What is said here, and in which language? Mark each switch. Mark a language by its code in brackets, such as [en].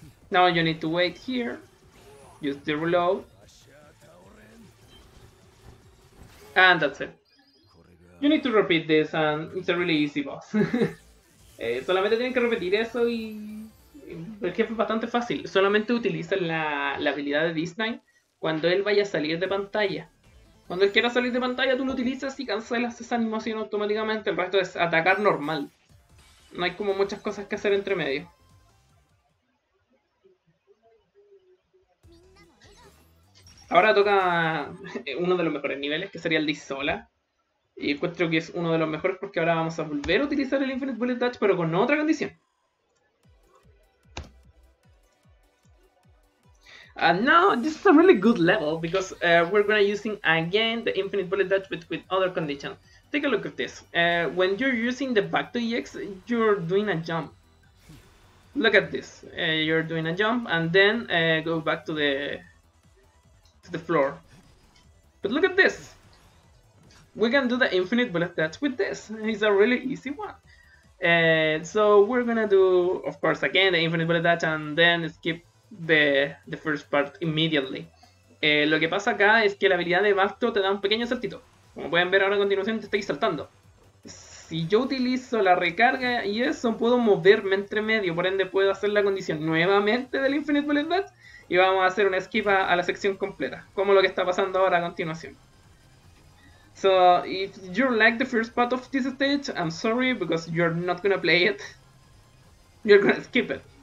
[en] Now you need to wait here, use the reload, and that's it. You need to repeat this and it's a really easy boss. [es] solamente tienen que repetir eso y el jefe es bastante fácil. Solamente utiliza la habilidad de Disnine cuando él vaya a salir de pantalla. Cuando él quiera salir de pantalla tú lo utilizas y cancelas esa animación automáticamente, el resto es atacar normal. No hay como muchas cosas que hacer entre medio. Ahora toca uno de los mejores niveles, que sería el de Isola. Y encuentro que es uno de los mejores porque ahora vamos a volver a utilizar el Infinite Bullet Dash, pero con otra condición. [en] And now, this is a really good level, because we're gonna using again the Infinite Bullet Dash, but with other conditions. Take a look at this. When you're using the Back to EX, you're doing a jump. Look at this. You're doing a jump, and then go back to the... to the floor. But look at this! We can do the infinite bullet dash with this. It's a really easy one. So we're gonna do, of course, again the infinite bullet dash and then skip the first part immediately. [es] Lo que pasa acá es que la habilidad de Bacto te da un pequeño saltito. Como pueden ver ahora a continuación, te estáis saltando. Si yo utilizo la recarga y eso, puedo moverme entre medio, por ende puedo hacer la condición nuevamente del infinite bullet dash. Y vamos a hacer una esquiva a la sección completa, como lo que está pasando ahora a continuación. [en] So, if you like the first part of this stage, I'm sorry, because you're not gonna play it. You're gonna skip it.